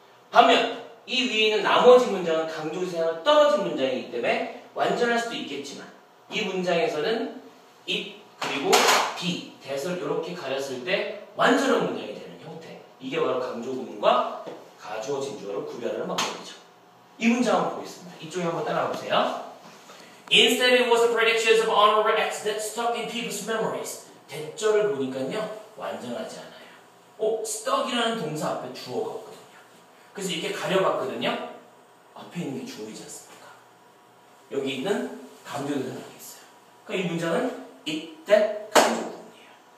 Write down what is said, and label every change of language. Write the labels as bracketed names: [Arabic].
[Korean] 반면 이 위에 있는 나머지 문장은 강조 대상이 떨어진 문장이기 때문에 완전할 수도 있겠지만 이 문장에서는 it 그리고 be, that을 이렇게 가렸을 때 완전한 문장이 되는 형태. 이게 바로 강조 구문과 가주어 진주어를 구별하는 방법이죠. 이 문장 한번 보겠습니다. 이쪽에 한번 따라와보세요. [English] Instead, it was the predictions of honorable acts that stuck in people's memories. [Korean] 대절을 보니까요, 완전하지 않아요. 어, stuck이라는 동사 앞에 주어가 없거든요. 그래서 이렇게 가려봤거든요. 앞에 있는 게 주어이지 않습니까? 여기 있는 강조는 아니겠어요. 그러니까 이 문장은 이때 강조 부분이에요.